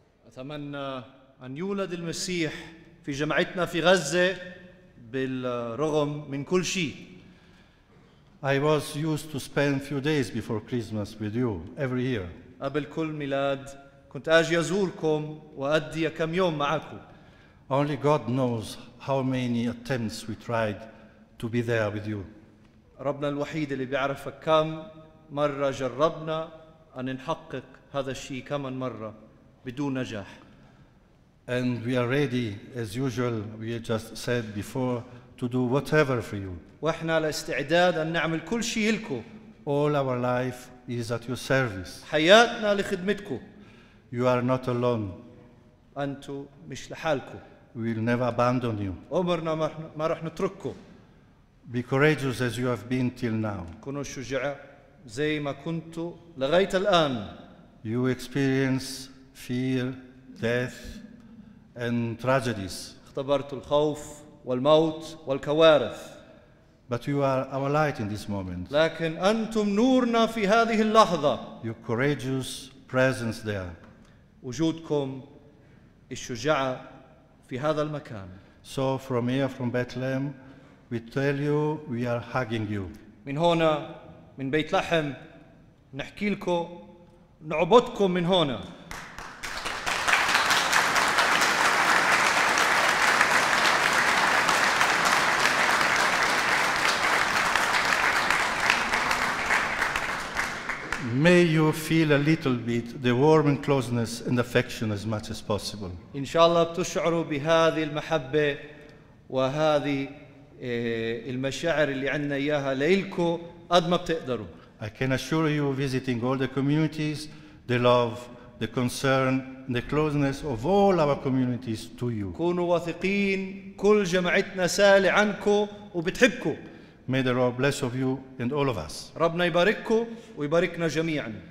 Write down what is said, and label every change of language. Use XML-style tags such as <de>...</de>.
<ar>أتمنى أن يولد المسيح في جمعتنا في غزة بالرغم من كل شيء.</ar> <en>I was used to spend few days before Christmas with you every year.</en> <ar>قبل كل ميلاد كنت أجي أزوركم وأدي كم يوم معكم.</ar> <en>Only God knows how many attempts we tried to be there with you.</en> <ar>ربنا الوحيد اللي بيعرفك كم مرة جربنا أن نحقق هذا الشيء كم مرة بدون نجاح.</ar> <en>And we are ready, as usual, we just said before, to do whatever for you.</en> <ar>وإحنا على استعداد أن نعمل كل شيء لكم.</ar> <en>All our life is at your service.</en> <ar>حياتنا لخدمتكم.</ar> <en>You are not alone.</en> <ar>أنتوا مش لحالكم.</ar> <en>We will never abandon you.</en> <ar>عمرنا ما رح نترككم.</ar> <en>Be courageous as you have been till now.</en> <ar>كونوا شجاع زي ما كنتوا لغاية الآن.</ar> <en>You experience fear, death, and tragedies.</en> <ar>اختبرت الخوف والموت والكوارث.</ar> <en>But you are our light in this moment.</en> <ar>لكن أنتم نورنا في هذه اللحظة.</ar> <en>Your courageous presence there.</en> <ar>وجودكم الشجاع في هذا المكان.</ar> <en>So from here, from Bethlehem, we tell you we are hugging you.</en> <ar>من هنا من بيت لحم نحكي لكم نعبدكم من هنا.</ar> <en>May you feel a little bit the warm and closeness and affection as much as possible.</en> <ar>إن شاء الله بتشعروا بهذه المحبة وهذه المشاعر اللي عندنا إياها ليلكو قد ما بتقدروا.</ar> <en>I can assure you, visiting all the communities, the love, the concern, the closeness of all our communities to you.</en> <ar>كونوا واثقين كل جماعتنا سالة عنكو وبتحبكو.</ar> <en>May the Lord bless of you and all of us.</en> <ar>ربنا يباركو ويباركنا جميعا.</ar>